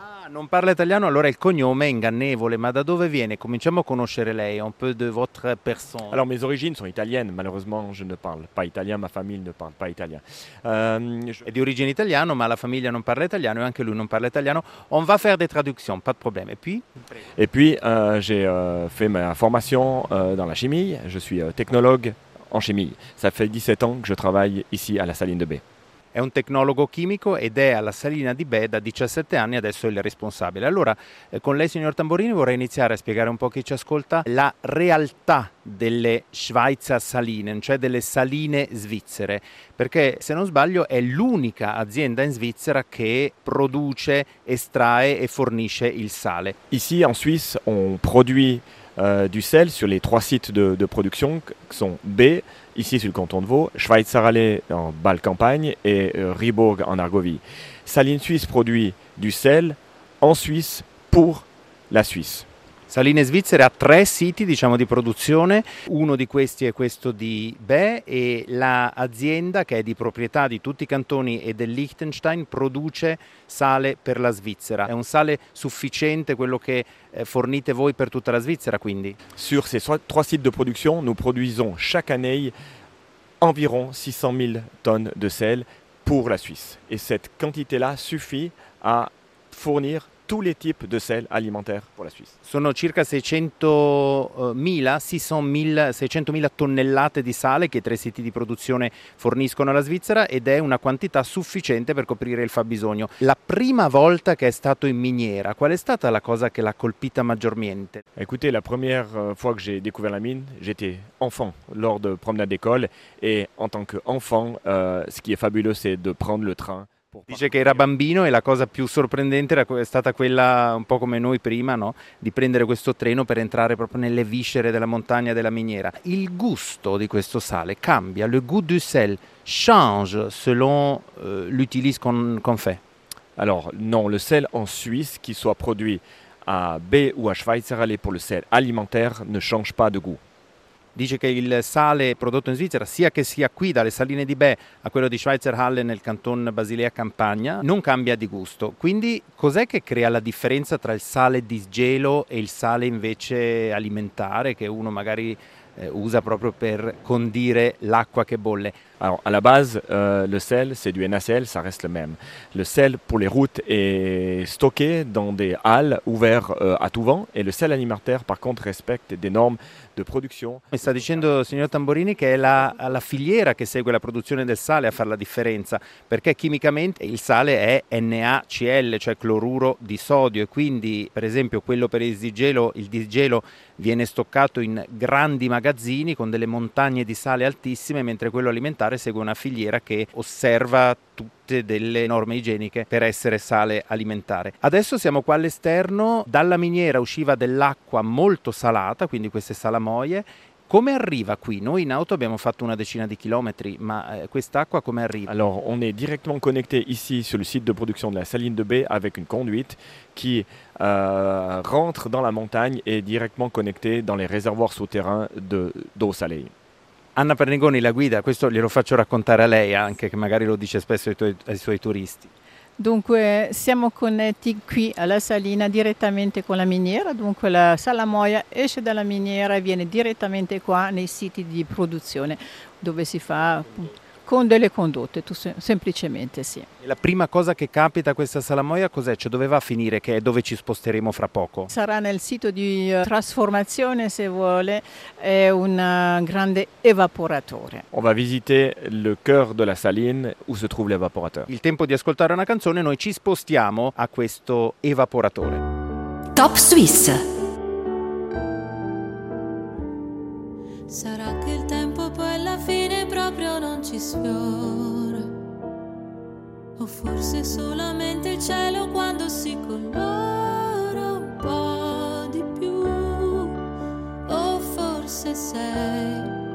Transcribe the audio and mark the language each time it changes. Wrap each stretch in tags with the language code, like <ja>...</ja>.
<it>Non parla italiano, allora il cognome è ingannevole, ma da dove viene?</it> <fr>Cominciamo a conoscere lei, un peu de votre personne. Alors, mes origines sont italiennes, malheureusement je ne parle pas italien, ma famille ne parle pas italien.</fr> <it>È di origine italiana, ma la famiglia non parla italiano e anche lui non parla italiano.</it> <fr>On va faire des traductions, pas de problème. Et puis? Et puis, j'ai fait ma formation dans la chimie, je suis technologue en chimie. Ça fait 17 ans que je travaille ici à la Saline de Bè.</fr> <it>È un tecnologo chimico ed è alla salina di Bè da 17 anni, adesso è il responsabile. Allora, con lei, signor Tamborini, vorrei iniziare a spiegare un po' chi ci ascolta la realtà delle Schweizer Saline, cioè delle saline svizzere, perché se non sbaglio è l'unica azienda in Svizzera che produce, estrae e fornisce il sale.</it> <fr>Ici en Suisse, on produit du sel sur les trois sites de production qui sont Bè, ici sur le canton de Vaud, Schweizerallee en Bâle-Campagne et Ribourg en Argovie. Saline Suisse produit du sel en Suisse pour la Suisse.</fr> <it>Saline Svizzere ha tre siti, diciamo, di produzione. Uno di questi è questo di Bè e l'azienda, che è di proprietà di tutti i cantoni e del Liechtenstein, produce sale per la Svizzera. È un sale sufficiente quello che fornite voi per tutta la Svizzera, quindi?</it> <fr>Sur ces trois sites de production, nous produisons chaque année environ 600 000 tonnes de sel pour la Suisse. Et cette quantité-là suffit à fournir tous les types de sel alimentaire pour la Suisse.</fr> <it>Sono circa 600.000 tonnellate di sale che i tre siti di produzione forniscono alla Svizzera ed è una quantità sufficiente per coprire il fabbisogno. La prima volta che è stato in miniera, qual è stata la cosa che l'ha colpita maggiormente?</it> <fr>Écoutez, la première fois que j'ai découvert la mine, j'étais enfant lors de promenade d'école et en tant que enfant, ce qui est fabuleux c'est de prendre le train.</fr> <it>Dice che era bambino e la cosa più sorprendente è stata quella, un po' come noi prima, no? Di prendere questo treno per entrare proprio nelle viscere della montagna della miniera.</it> <fr>Il gusto di questo sale cambia, le goût du sel change selon l'utilise qu'on fait. Alors non, le sel en Suisse, qu'il soit produit à Bè ou à Schweizerallee pour le sel alimentaire, ne change pas de goût.</fr> <it>Dice che il sale prodotto in Svizzera, sia che sia qui dalle saline di Bè a quello di Schweizerallee nel canton Basilea Campagna, non cambia di gusto. Quindi cos'è che crea la differenza tra il sale di gelo e il sale invece alimentare che uno magari usa proprio per condire l'acqua che bolle?</it> <fr>Alors, à la base, le sel, c'est du NaCl, ça reste le même. Le sel pour les routes est stocké dans des halles ouvertes à tout vent et le sel alimentaire, par contre, respecte des normes de production.</fr> <it>Mi sta dicendo, signor Tamborini, che è la filiera che segue la produzione del sale a fare la differenza, perché chimicamente il sale è NaCl, cioè cloruro di sodio, e quindi, per esempio, quello per il disgelo viene stoccato in grandi magazzini con delle montagne di sale altissime, mentre quello alimentare segue una filiera che osserva tutte delle norme igieniche per essere sale alimentare. Adesso siamo qua all'esterno, dalla miniera usciva dell'acqua molto salata, quindi queste salamoie. Come arriva qui? Noi in auto abbiamo fatto una decina di chilometri, ma quest'acqua come arriva?</it> <fr>Alors, on est directement connecté ici sur le site de production de la saline de Bè avec une conduite qui rentre dans la montagne et directement connecté dans les réservoirs souterrains d'eau salée.</fr> <it>Anna Pernigoni, la guida, questo glielo faccio raccontare a lei anche, che magari lo dice spesso ai suoi turisti. Dunque, siamo connetti qui alla salina direttamente con la miniera, dunque la salamoia esce dalla miniera e viene direttamente qua nei siti di produzione, dove si fa con delle condotte, semplicemente sì. E la prima cosa che capita a questa salamoia cos'è? Cioè, dove va a finire, che è dove ci sposteremo fra poco? Sarà nel sito di trasformazione, se vuole, è un grande evaporatore.</it> <fr>On va visiter le cœur de la saline où se trouve l'évaporateur.</fr> <it>Il tempo di ascoltare una canzone, noi ci spostiamo a questo evaporatore.</it> <en>Top Swiss.</en> <it>Sarà che il tempo poi alla fine proprio non ci sfiora, o forse solamente il cielo quando si colora un po' di più, o forse sei</it>